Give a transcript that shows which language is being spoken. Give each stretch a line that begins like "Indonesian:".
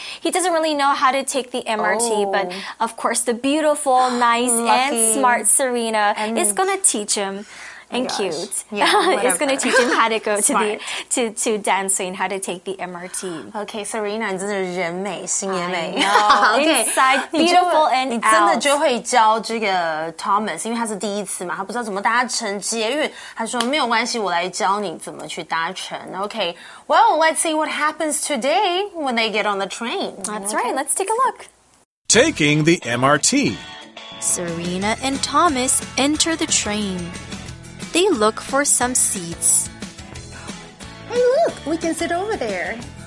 English: He doesn't really know how to take the MRT, but of course the beautiful, nice, and smart Serena is going to teach him. And cute. Yeah, it's going to teach him how to go to Danceway and how to take the MRT.
Chinese: Okay, Serena, 你真的人美心也美.
English: Inside, beautiful and out.
Chinese: 你真的就会教这个 Thomas, 因为他是第一次嘛, 他不知道怎么搭乘捷运, 他说没有关系, 我来教你怎么去搭乘.
English: Okay, well, let's see what happens today when they get on the train. That's right, let's take a look. Taking the MRT. Serena and Thomas enter the train. They look for some seats. Hey, look! We can sit over there.